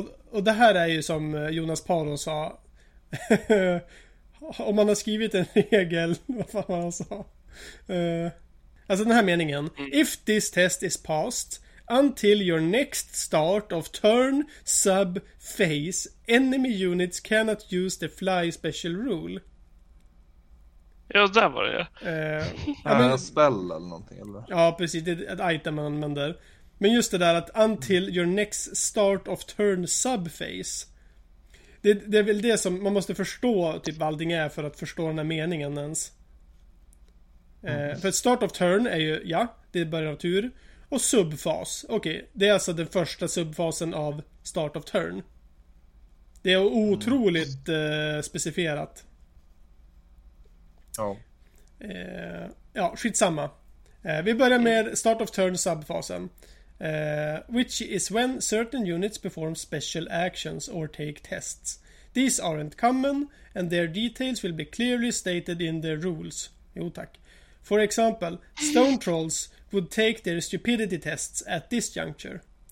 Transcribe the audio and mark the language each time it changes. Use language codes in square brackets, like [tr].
[sv] Och det här är ju som Jonas Paro sa. Om man har skrivit en regel, vad fan han sa. Alltså den här meningen. [en] If this test is passed until your next start of turn, sub, phase, enemy units cannot use the fly special rule. [sv] Ja, där var det. Är det en spell eller någonting? Eller? Ja, precis. Det är ett item man använder. Men just det där att [en] until your next start of turn, sub, phase. [sv] Det är väl det som man måste förstå typ Valding är för att förstå den här meningen ens. För att start of turn är ju, ja, det är början av tur. Och subfas, okej, det är alltså den första subfasen av start of turn. Det är otroligt specificerat. Ja. Ja, skitsamma. Vi börjar med start of turn subfasen. [en] Which is when certain units perform special actions or take tests. These aren't common and their details will be clearly stated in their rules. [sv] Jo, tack. [en] For example, stone trolls would take their stupidity tests at this juncture.